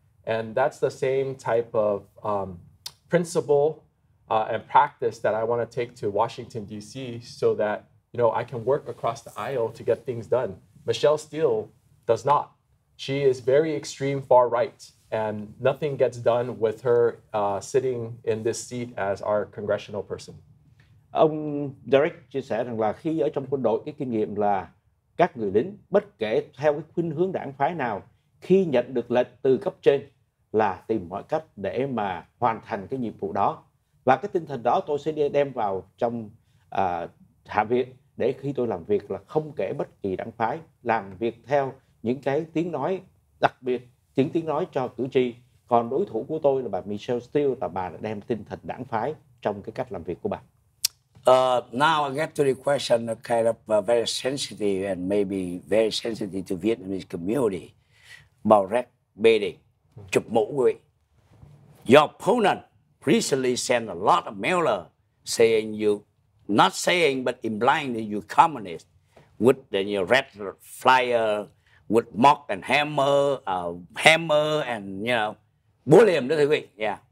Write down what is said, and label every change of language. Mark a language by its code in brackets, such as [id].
[en] And that's the same type of principle and practice that I want to take to Washington, D.C. so that, you know, I can work across the aisle to get things done. Michelle Steele does not. She is very extreme far right, and nothing gets done with her sitting in this seat as our congressional person. [vi] Ông Derek chia sẻ rằng là khi ở trong quân đội, cái kinh nghiệm là các người lính bất kể theo cái khuynh hướng đảng phái nào, khi nhận được lệnh từ cấp trên là tìm mọi cách để mà hoàn thành cái nhiệm vụ đó. Và cái tinh thần đó tôi sẽ đem vào trong Hạ viện, để khi tôi làm việc là không kể bất kỳ đảng phái, làm việc theo những cái tiếng nói, đặc biệt những tiếng nói cho cử tri. Còn đối thủ của tôi là bà Michelle Steele, là bà đã đem tinh thần đảng phái trong cái cách làm việc của bà. [en] Now I get to the question kind of very sensitive and maybe very sensitive to Vietnamese community about red bedding, [vi] chụp mũ quý. [en] Your opponent recently sent a lot of mailer saying you, not saying but implying that you communist, with the red flyer, with mock and hammer and, you know, bully him, that's it. Yeah.